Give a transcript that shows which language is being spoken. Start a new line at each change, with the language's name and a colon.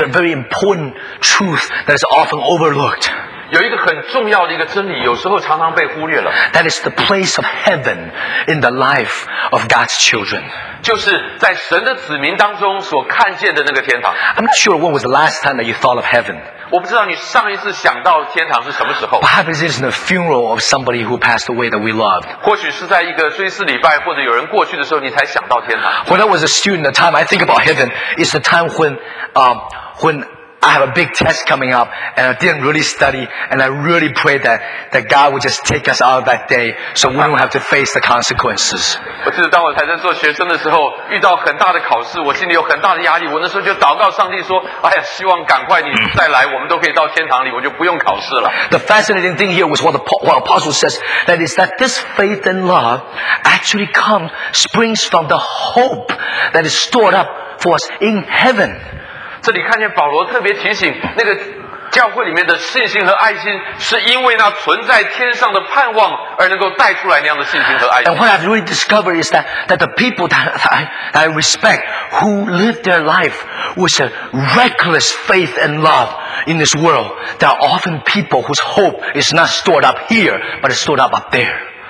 English: a very important truth that is often overlooked.
Chinese: 有一个很重要的一个真理，有时候常常被忽略了。
English: That is the place of heaven in the life of God's children.
Chinese: 就是在神的子民当中所看见的那个天堂。
English: I'm not sure when was the last time that you thought of heaven.
Chinese: 我不知道你上一次想到天堂是什么时候。
English: Perhaps it is in a funeral of somebody who passed away that we loved.
Chinese: 或许是在一个追思礼拜，或者有人过去的时候，你才想到天堂。
English: When I was a student, the time I think about heaven is the time when I have a big test coming up, and I didn't really study, and I really pray that God would just take us out of that day so we don't have to face the consequences.
Chinese: 我记得当我还在做学生的时候，遇到很大的考试，我心里有很大的压力。我那时候就祷告上帝说：“哎呀，希望赶快你再来，我们都可以到天堂里，我就不用考试了。”
English: The fascinating thing here was what Apostle says, that is that this faith and love actually comes, springs from the hope that is stored up for us in heaven.
Chinese: 这里看见保罗特别提醒，那个教会里面的信心和爱心，是因为那存在天上的盼望而能够带出来那样的信心和爱心。
English: And what I've really discovered is that the people that I respect who live their life with a reckless faith and love in this world, there are often people whose hope is not stored up here, but it's stored up there.